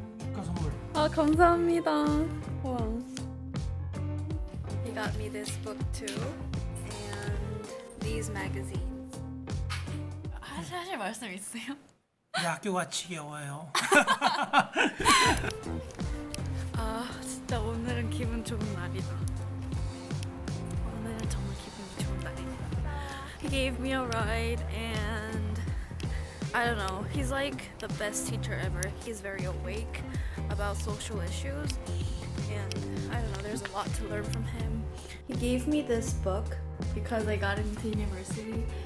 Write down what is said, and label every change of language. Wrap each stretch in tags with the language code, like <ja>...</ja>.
<ko>축하 선물. 아, 감사합니다.</ko> <en>He got me this book too, and these magazines.</en> <ko>사실 말씀 있으세요? 이 학교가 지겨워요. 아 진짜 오늘은 기분 좋은 날이다. 오늘은 정말 기분이 좋은 날이다.</ko> <en>He gave me a ride and I don't know. He's like the best teacher ever. He's very awake about social issues and I don't know. There's a lot to learn from him. He gave me this book because I got into university.</en>